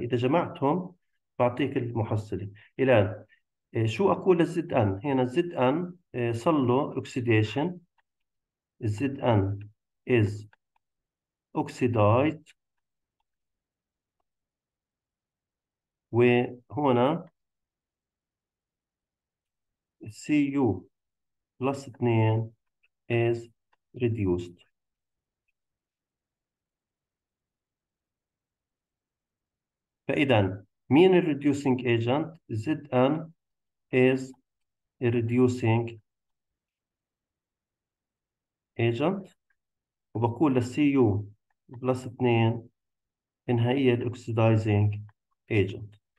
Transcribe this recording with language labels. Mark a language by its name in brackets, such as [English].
[Arabic] إذا جمعتهم بعطيك المحصلة. الآن شو أقول للزد أن؟ هنا الزد أن صار له أوكسيديشن، الزد أن إز أوكسيدايت، وهنا [English] C U plus 2 is reduced. [Arabic] فإذا مين الـ [English] reducing agent؟ Zn is a reducing agent. [Arabic] وبقول للـ Cu plus 2 إنها هي الـ oxidizing agent.